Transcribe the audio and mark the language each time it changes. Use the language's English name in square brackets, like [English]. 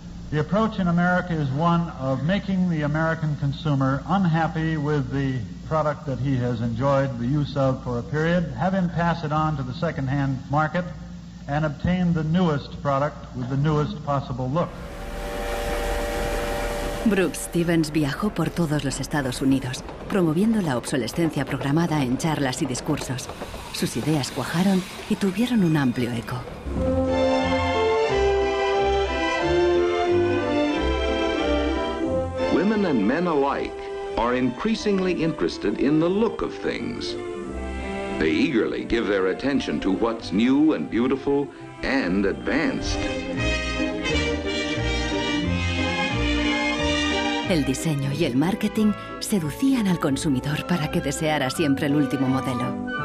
[English] the approach in America is one of making the American consumer unhappy with the product that he has enjoyed the use of for a period, have him pass it on to the second-hand market, and obtain the newest product with the newest possible look. [Spanish] Brooks Stevens viajó por todos los Estados Unidos, promoviendo la obsolescencia programada en charlas y discursos. Sus ideas cuajaron y tuvieron un amplio eco. [English] Women and men alike are increasingly interested in the look of things. They eagerly give their attention to what's new and beautiful and advanced. [Spanish] El diseño y el marketing seducían al consumidor para que deseara siempre el último modelo.